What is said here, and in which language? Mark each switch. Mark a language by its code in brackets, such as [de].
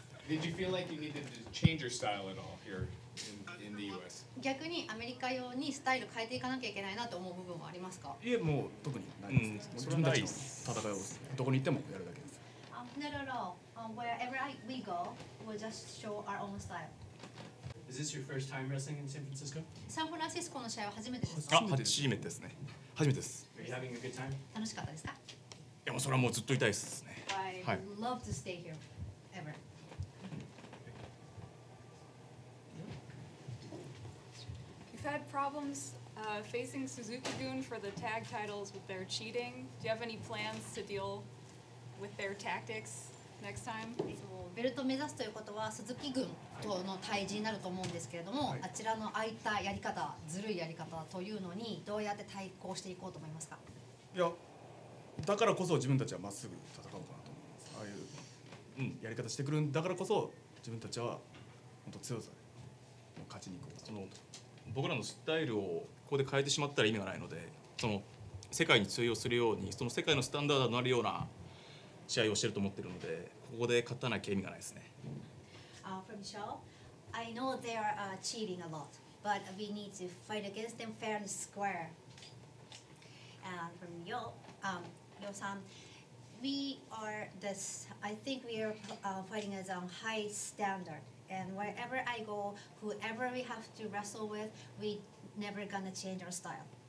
[en] Did you feel like you needed to change your style at all here in the U.S.? [ja] 逆にアメリカ用にスタイル変えていかなきゃいけないなと思う部分はありますか？いやもう特にないです。それはないです。戦いをどこに行ってもやるだけです。 [en] No. Wherever we go, we'll just show our own style. Is this your first time wrestling in San Francisco? [ja] サンフランシスコの試合は初めてですか？あ、初めてですね。初めてです。 [en] Are you having a good time? [ja] 楽しかったですか？いやもうそれはもうずっといたいですね。 [en] I'd love to stay here, ever. You've had problems facing Suzuki-gun for the tag titles with their cheating. Do you have any plans to deal with their tactics next time? [ja] ベルト目指すということは鈴木軍との対峙になると思うんですけれども、あちらのああいったやり方、ずるいやり方というのにどうやって対抗していこうと思いますか？いや、だからこそ自分たちはまっすぐ戦おうかなと。ああいう、うん、やり方してくるんだからこそ自分たちは本当強さで勝ちに行こう。その僕らのスタイルをここで変えてしまったら意味がないので、その世界に通用するようにその世界のスタンダードになるような試合をしてると思ってるので、ここで勝たなきゃ意味がないですね。 [en] From Shaw, I know they are cheating a lot, but we need to fight against them fair and square. And from Yo-san,We are this. I think we are fighting as a high standard. And wherever I go, whoever we have to wrestle with, we never gonna change our style.